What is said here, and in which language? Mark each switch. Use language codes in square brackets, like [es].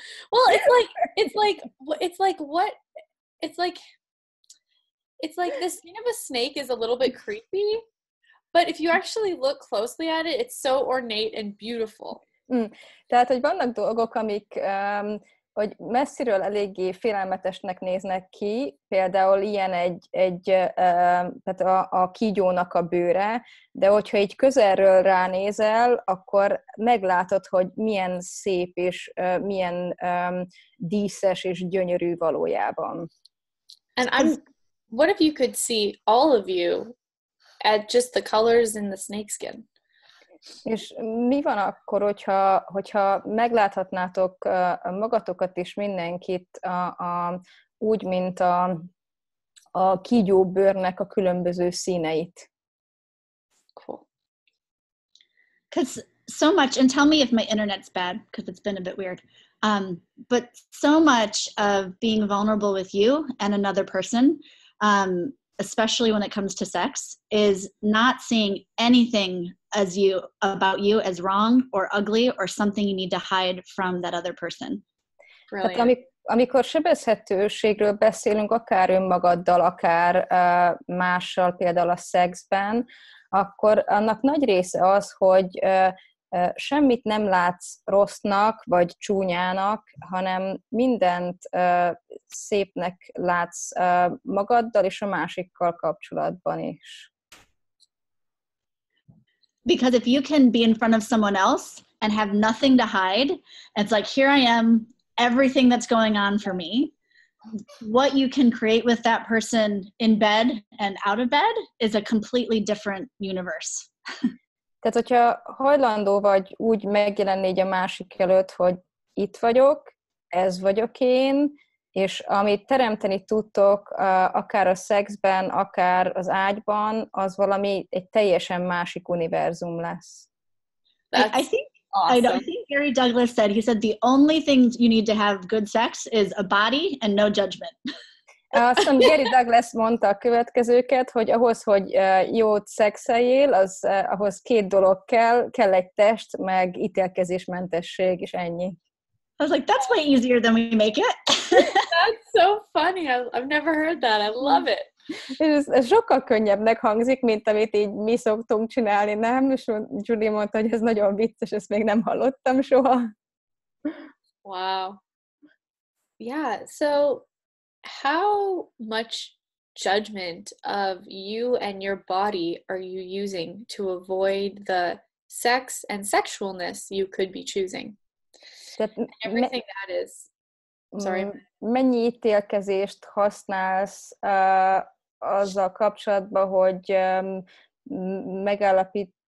[en] Well, it's like the skin of a snake is a little bit creepy, but if you actually look closely at it, it's so ornate and beautiful. [hu] Tehát, hogy vannak dolgok, amik hogy messziről eléggé félelmetesnek néznek ki, például ilyen tehát a kígyónak a bőre, de hogyha így közelről ránézel, akkor meglátod, hogy milyen szép és milyen díszes és gyönyörű valójában. [en] And what if you could see all of you at just the colors in the snake skin? [hu] És mi van akkor, hogyha megláthatnátok magatokat is, mindenkit úgy, mint a kígyó bőrnek a különböző színeit? [en] Cool. Because so much, and tell me if my internet's bad, because it's been a bit weird. But so much of being vulnerable with you and another person, especially when it comes to sex, is not seeing anything as you about you as wrong or ugly or something you need to hide from that other person. [hu] Tehát amikor sebezhetőségről beszélünk, akár önmagaddal, akár mással, például a szexben, akkor annak nagy része az, hogy semmit nem látsz rossznak vagy csúnyának, hanem mindent szépnek látsz magaddal és a másikkal kapcsolatban is. [en] Because if you can be in front of someone else and have nothing to hide, it's like, here I am, everything that's going on for me, what you can create with that person in bed and out of bed is a completely different universe. [hu] Tehát, hogyha hajlandó vagy úgy megjelenni a másik előtt, hogy itt vagyok, ez vagyok én, és amit teremteni tudtok, akár a szexben, akár az ágyban, az valami egy teljesen másik univerzum lesz. [en] I think Gary Douglas said, he said, the only thing you need to have good sex is a body and no judgment. [hu] Azt mondom, Gary Douglas mondta a következőket, hogy ahhoz, hogy jót szexeljél, az ahhoz két dolog kell egy test, meg ítélkezésmentesség, és ennyi. [en] I was like, that's way easier than we make it. That's so funny. I've never heard that. I love it. [hu] Ez sokkal könnyebbnek hangzik, mint amit így mi szoktunk csinálni, nem? És Julie mondta, hogy ez nagyon vicces, ezt még nem hallottam soha. [en] Wow. Yeah, so how much judgment of you and your body are you using to avoid the sex and sexualness you could be choosing? [hu] Tehát [en] everything that is. Sorry. [hu] Mennyi ítélkezést használsz azzal kapcsolatban, hogy megállapít...